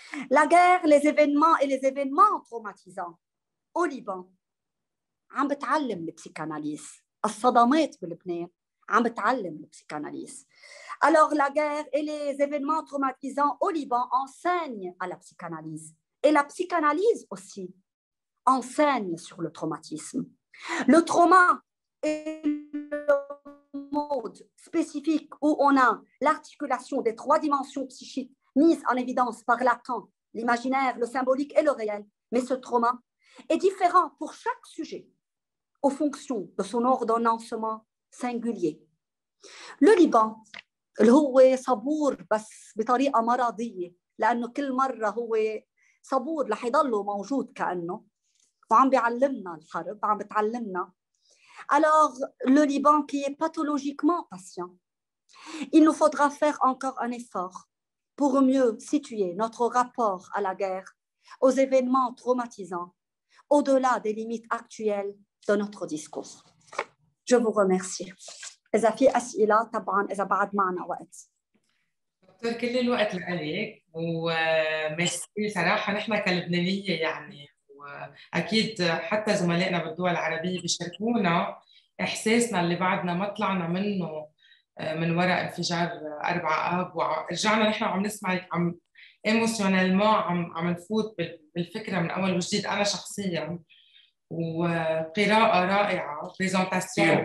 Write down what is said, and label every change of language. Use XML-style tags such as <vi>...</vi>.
<fr>La guerre, les événements et les événements traumatisants au Liban</fr> <ar>عم بتعلم البسيكاناليز. الصدمات بلبنان عم بتعلم البسيكاناليز.</ar> <fr>Alors la guerre et les événements traumatisants au Liban enseignent à la psychanalyse. Et la psychanalyse aussi enseigne sur le traumatisme. Le trauma est le mode spécifique où on a l'articulation des trois dimensions psychiques mises en évidence par Lacan, l'imaginaire, le symbolique et le réel. Mais ce trauma est différent pour chaque sujet, aux fonctions de son ordonnancement singulier. Le Liban,</fr> <ar>اللي هو صبور بس بطريقة مرضية لأنه كل مرة هو صبور رح يضله موجود كأنه وعم بيعلمنا الحرب عم بتعلمنا</ar> <fr>Alors, le Liban qui est pathologiquement patient, il nous faudra faire encore un effort pour mieux situer notre rapport à la guerre, aux événements traumatisants, au-delà des limites actuelles de notre discours. Je vous remercie.</fr> <ar>إذا في أسئلة طبعاً إذا بعد معنا وقت. دكتور كل الوقت لعليك وميرسي صراحة نحن كلبنانية يعني وأكيد حتى زملائنا بالدول العربية بيشاركونا إحساسنا اللي بعدنا ما طلعنا منه من وراء انفجار 4 آب ورجعنا نحن عم نسمعك عم ايموشنالمون عم نفوت بالفكرة من أول وجديد أنا شخصياً وقراءة رائعة برزنتاسيون</ar>